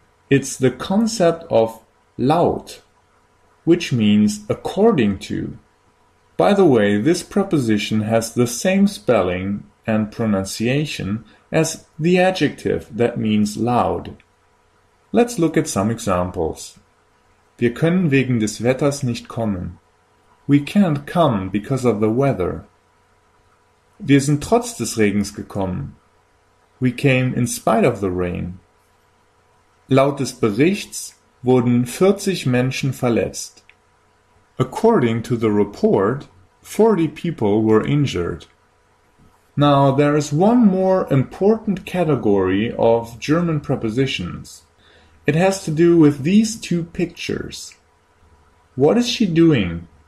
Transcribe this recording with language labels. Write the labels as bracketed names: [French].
[English] It's the concept of laut, which means according to. By the way, this preposition has the same spelling and pronunciation as the adjective that means loud. Let's look at some examples. [German] Wir können wegen des Wetters nicht kommen. [English] We can't come because of the weather. [German] Wir sind trotz des Regens gekommen. [English] We came in spite of the rain. [German] Laut des Berichts wurden 40 Menschen verletzt. [English] According to the report, 40 people were injured. Now, there is one more important category of German prepositions. It has to do with these two pictures. What is she doing?